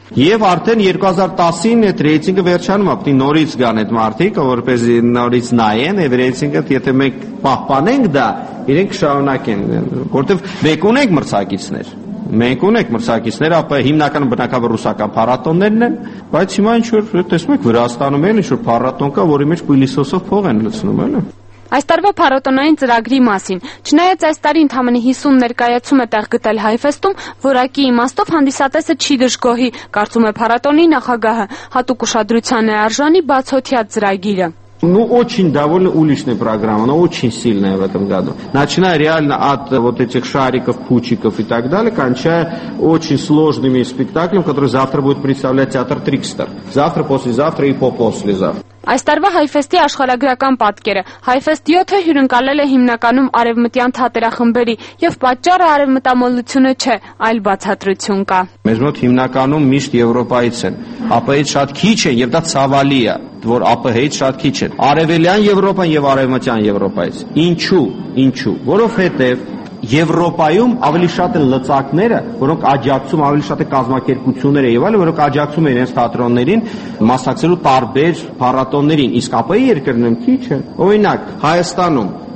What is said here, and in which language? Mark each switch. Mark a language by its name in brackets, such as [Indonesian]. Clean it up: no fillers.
[Armenian] Եվ արդեն 2010-ին այդ ռեյտինգը վերջանում է, պետք է նորից գան այդ մարդիկ, որպես նորից նայեն, եւ ռեյտինգը, եթե մենք պահպանենք դա, իրենք շարունակեն, որտեղ մենք ունենք մրցակիցներ։ Մենք ունենք մրցակիցներ, ապա հիմնական բնակավայրը ռուսական փառատոններն են, բայց հիմա ինչ որ տեսնում եք Վրաստանում էլ ինչ որ փառատոն կա, որի մեջ քուլիսոսով փող են լցնում, էլ է։ Այս տարվա փառատոնային ծրագրի մասին, չնայած այս տարի ընդամենը 50 ներկայացում է տեղ գտել Հայֆեստում, որակի իմաստով հանդիսատեսը չի դժգոհի, կարծում է փառատոնի նախագահը, հատուկ ուշադրության է արժանի բացօթյա ծրագիրը։ [Russian] Ну очень довольно уличная программа, но очень сильная в этом году. Начиная реально от вот этих шариков, пучиков и так далее, кончая очень сложными спектаклями, которые завтра будет представлять театр Трикстер. Завтра, послезавтра и попослезавтра. [Armenian] Այս տարվա Հայֆեստի աշխարհագրական պատկերը Հայֆեստ 7-ը հյուրընկալել է հիմնականում արևմտյան թատերախմբերի եւ պատճառը արևմտամոլությունը չէ, այլ բացատրություն կա։ Մեզ մոտ հիմնականում միշտ եվրոպայից են, ԱՊՀ-ից շատ քիչ են եւ դա ցավալի է, որ ԱՊՀ-ից շատ քիչ են։ Արևելյան Եվրոպան եւ արևմտյան Եվրոպայից։ Ինչու, ինչու, որովհետեւ Եվրոպայում ավելի շատ են լծակները, որոնք աջակցում ավելի շատ է կազմակերպությունները եւ այլն, որոնք աջակցում են իրենց թատրոններին մասնակցելու տարբեր փառատոններին, իսկ ԱՊՀ-ի երկրներում քիչ է։ Օրինակ, Հայաստանում